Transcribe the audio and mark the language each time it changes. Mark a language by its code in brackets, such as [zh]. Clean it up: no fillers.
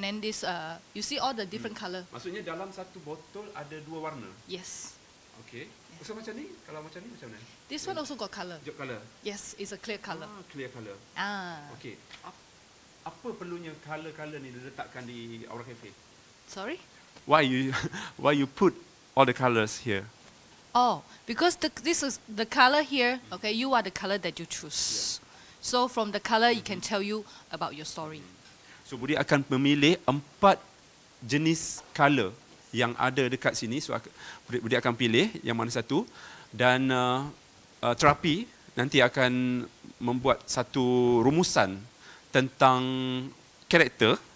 [en] and then this you see all the different color. [ms] Maksudnya dalam satu botol ada dua warna. [en] Yes. [ms] Okay. Yeah. So macam ni, kalau macam ni macam mana? [en] This one also got color. Got color. Yes, it's a clear color. Ah, clear color. Ah. [ms] Okay. Apa perlunya color-color ni diletakkan di Aura Cafe? [en] Sorry. Why you put all the colors here? Oh, because this is the color here, okay, you are the color that you choose. Yeah. So from the color, mm-hmm. you can tell you about your story. [ms] So Budi akan memilih 4 jenis color yang ada dekat sini. So Budi akan pilih yang mana satu. Dan terapi nanti akan membuat satu rumusan tentang karakter